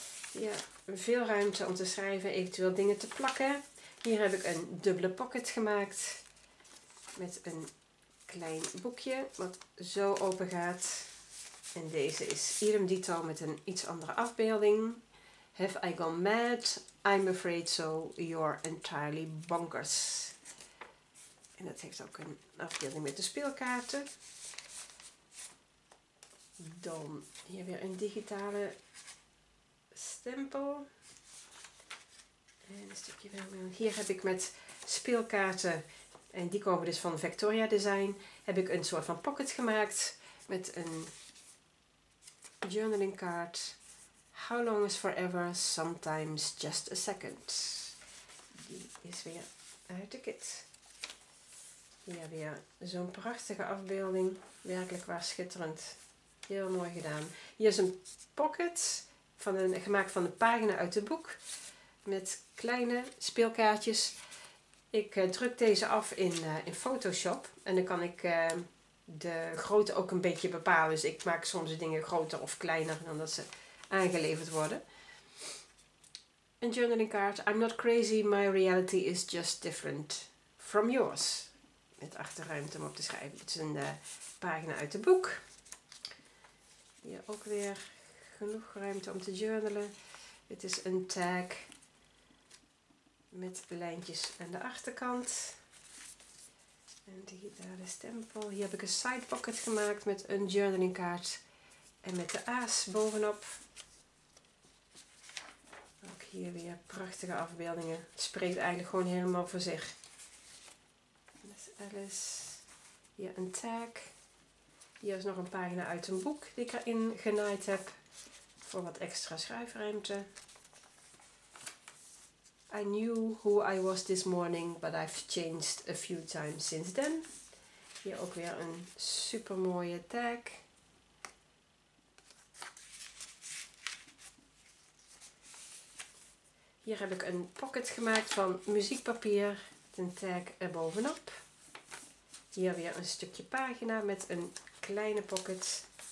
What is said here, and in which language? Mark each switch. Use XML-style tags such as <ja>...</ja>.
<nl>Ja, veel ruimte om te schrijven, eventueel dingen te plakken. Hier heb ik een dubbele pocket gemaakt. Met een klein boekje wat zo open gaat. En deze is idem dito met een iets andere afbeelding.</nl> <en>Have I gone mad? I'm afraid so. You're entirely bonkers.</en> <nl>En dat heeft ook een afbeelding met de speelkaarten. Dan hier weer een digitale stempel. En een stukje vellum. Hier heb ik met speelkaarten, en die komen dus van Victoria Design, heb ik een soort van pocket gemaakt met een journaling card.</nl> <en>How long is forever? Sometimes just a second.</en> <nl>Die is weer uit de kit. Hier weer zo'n prachtige afbeelding. Werkelijk waar, schitterend. Heel mooi gedaan. Hier is een pocket gemaakt van een pagina uit het boek. Met kleine speelkaartjes. Ik druk deze af in Photoshop. En dan kan ik de grootte ook een beetje bepalen. Dus ik maak soms dingen groter of kleiner dan dat ze aangeleverd worden. Een journaling kaart.</nl> <en>I'm not crazy. My reality is just different from yours.</en> <nl>Met achterruimte om op te schrijven. Het is een pagina uit het boek. Hier ook weer genoeg ruimte om te journalen. Het is een tag met lijntjes aan de achterkant. En daar de stempel. Hier heb ik een side pocket gemaakt met een journaling kaart. En met de aas bovenop. Ook hier weer prachtige afbeeldingen. Het spreekt eigenlijk gewoon helemaal voor zich. Dus Alice. Hier een tag. Hier is nog een pagina uit een boek die ik erin genaaid heb. Voor wat extra schrijfruimte.</nl> <en>I knew who I was this morning, but I've changed a few times since then.</en> <nl>Hier ook weer een super mooie tag. Hier heb ik een pocket gemaakt van muziekpapier. Met een tag erbovenop. Hier weer een stukje pagina met een kleine pocket.</nl>